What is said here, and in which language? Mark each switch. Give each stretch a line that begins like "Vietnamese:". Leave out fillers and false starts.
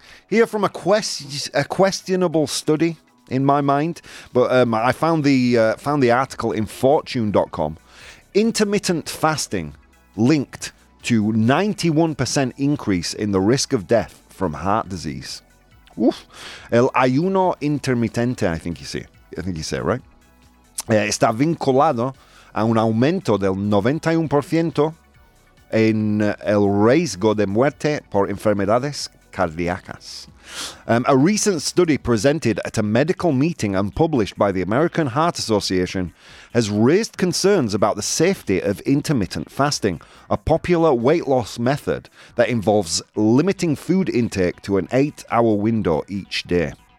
English: Here from a questionable study in my mind, but I found the article in Fortune.com. Intermittent fasting linked to 91% increase in the risk of death from heart disease. Oof.
Spanish: El ayuno intermitente,
English: I think you say, right?
Spanish: Está vinculado a un aumento del 91% en el riesgo de muerte por enfermedades cardíacas.
English: A recent study presented at a medical meeting and published by the American Heart Association has raised concerns about the safety of intermittent fasting, a popular weight loss method that involves limiting food intake to an 8-hour window each day.